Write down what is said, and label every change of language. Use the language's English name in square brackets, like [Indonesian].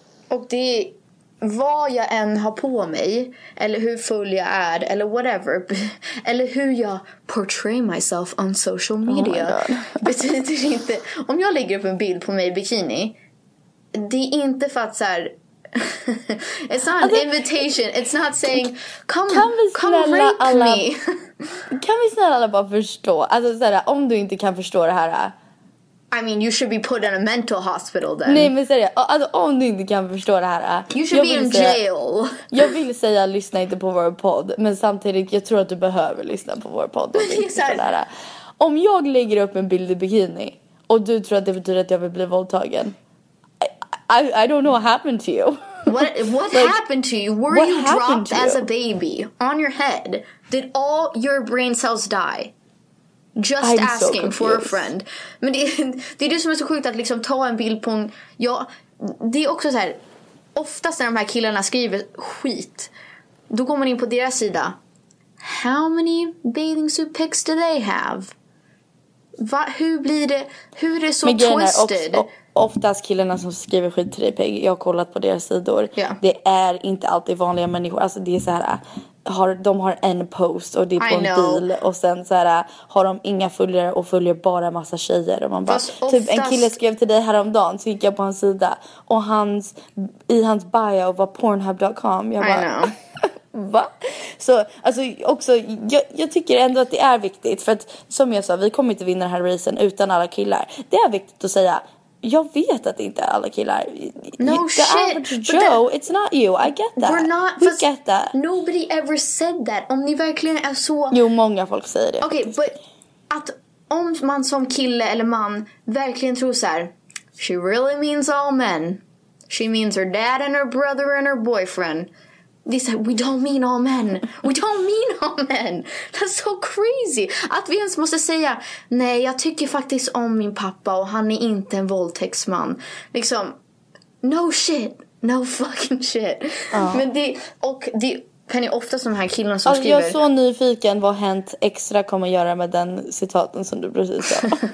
[Swedish] Och det är vad jag än har på mig eller hur full jag är eller whatever, eller hur jag [English] portray myself on social media, [Swedish] betyder inte. Om jag lägger upp en bild på mig i bikini, det är inte för att så här, [English] it's not an invitation, it's not saying come rape me. [Swedish] Kan vi snälla alla bara förstå, alltså så här, om du inte kan förstå det här, [English] I mean, you should be put in a mental hospital then. [Swedish] Nej, men seriöst. Alltså, om ni inte kan förstå det här. [English] You should be in jail. [Swedish] Jag vill säga, lyssna inte på vår podd. Men samtidigt, jag tror att du behöver lyssna på vår podd. Exakt. Om jag lägger upp en bild i bikini och du tror att det betyder att jag vill bli våldtagen. [English] I don't know what happened to you. What like, happened to you? Were you dropped as a baby on your head? Did all your brain cells die? Just I'm asking so for a friend. [Swedish] Men det är det som är så sjukt att liksom ta en bild på en, ja, det är också så här. Oftast när de här killarna skriver skit, då går man in på deras sida. [English] How many bathing suit pics do they have? [Swedish] Va, hur blir det? Hur är det så twisted? Är oftast killarna som skriver skit till dig, Peg, jag har kollat på deras sidor. [English] Yeah. [Swedish] Det är inte alltid vanliga människor. Alltså det är så här, de har en post och det är på en bil. Och sen så här, har de inga följare och följer bara massa tjejer. Och man bara, oftast... typ en kille skrev till dig häromdagen, så gick jag på hans sida. Och hans, i hans bio var pornhub.com. Jag bara, [English] I know. [Swedish] Va? Så, alltså, också, jag tycker ändå att det är viktigt. För att, som jag sa, vi kommer inte vinna den här racen utan alla killar. Det är viktigt att säga, jag vet att det inte är alla killar. [English] No shit. Average Joe, it's not you. I get that. We're not, we get that. Nobody ever said that. [Swedish] Om ni verkligen är så... Jo, många folk säger det. Okej, okay, but att om man som kille eller man verkligen tror så här, [English] she really means all men. She means her dad and her brother and her boyfriend. They said, we don't mean all men. We don't mean all men. That's so crazy. [Swedish] Att vi ens måste säga, nej, jag tycker faktiskt om min pappa och han är inte en våldtäktsman. [English] Liksom, no shit. No fucking shit. [Swedish] Men det, och det kan ju ofta de här killarna som skriver... Jag är så nyfiken vad Hänt Extra kommer göra med den citaten som du precis sa.